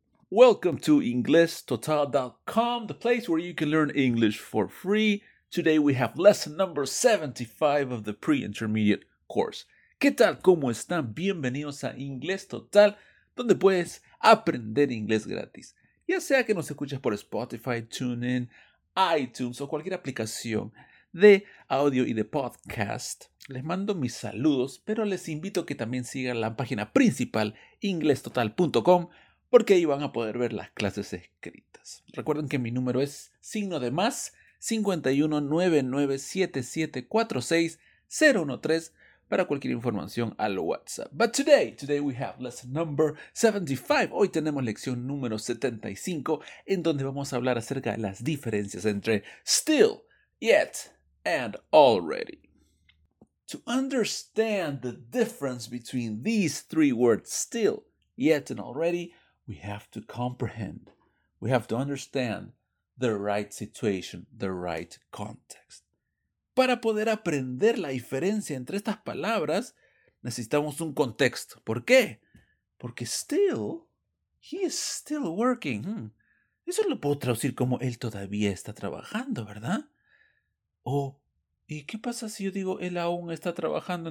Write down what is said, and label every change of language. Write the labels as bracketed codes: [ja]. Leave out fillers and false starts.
[en] Welcome to InglesTotal.com, the place where you can learn English for free. Today we have lesson number 75 of the pre-intermediate course. [es] ¿Qué tal? ¿Cómo están? Bienvenidos a Inglés Total, donde puedes aprender inglés gratis. Ya sea que nos escuches por Spotify, TuneIn, iTunes o cualquier aplicación de audio y de podcast, les mando mis saludos, pero les invito a que también sigan la página principal, inglestotal.com, porque ahí van a poder ver las clases escritas. Recuerden que mi número es signo de más 51997746013 para cualquier información al WhatsApp. [en] But today we have lesson number 75. [es] Hoy tenemos lección número 75, en donde vamos a hablar acerca de las diferencias entre still, yet, and already. [en] To understand the difference between these three words, still, yet, and already, we have to comprehend, we have to understand the right situation, the right context. [es] Para poder aprender la diferencia entre estas palabras, necesitamos un contexto. ¿Por qué? [en] Porque still, he is still working. [es] Eso lo puedo traducir como él todavía está trabajando, ¿verdad? O, ¿y qué pasa si yo digo él aún está trabajando?